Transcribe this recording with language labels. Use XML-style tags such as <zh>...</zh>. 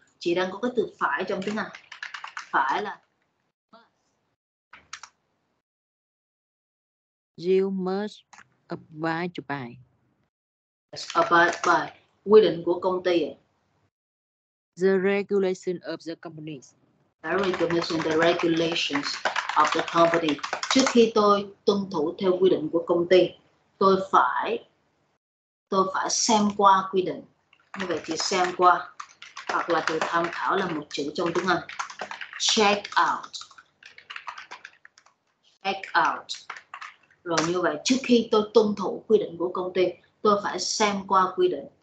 <vi>Chị đang có cái từ phải trong tiếng Anh. Phải là</vi> <en>you must abide by.</en> <vi>Yes, abide by quy định của công ty.</vi> <en>The regulation of the company. Very good, Miss Huyền, the regulations of the company.</en> <vi>Trước khi tôi tuân thủ theo quy định của công ty, tôi phải xem qua quy định. Như vậy thì xem qua hoặc là từ tham khảo là một chữ trong tiếng Anh. Check out. Check out. Rồi như vậy, trước khi tôi tuân thủ quy định của công ty, tôi phải xem qua quy định.</vi>